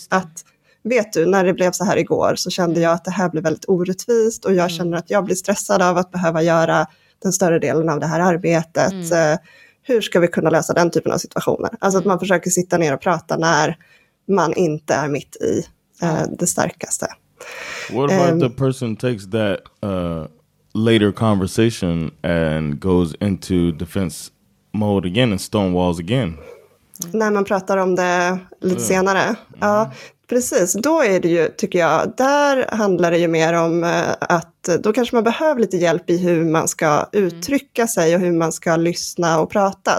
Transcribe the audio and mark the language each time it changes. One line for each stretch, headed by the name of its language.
Swedish: Att vet du, när det blev så här igår så kände jag att det här blev väldigt orättvist. Och jag känner att jag blir stressad av att behöva göra den större delen av det här arbetet. Hur ska vi kunna lösa den typen av situationer? Alltså att man försöker sitta ner och prata när... man inte är mitt i det starkaste.
English: What about the person takes that later conversation and goes into defense mode again and stonewalls again?
Swedish: När man pratar om det lite senare. Ja, precis. Då är det ju, tycker jag, där handlar det ju mer om att då kanske man behöver lite hjälp i hur man ska uttrycka sig och hur man ska lyssna och prata.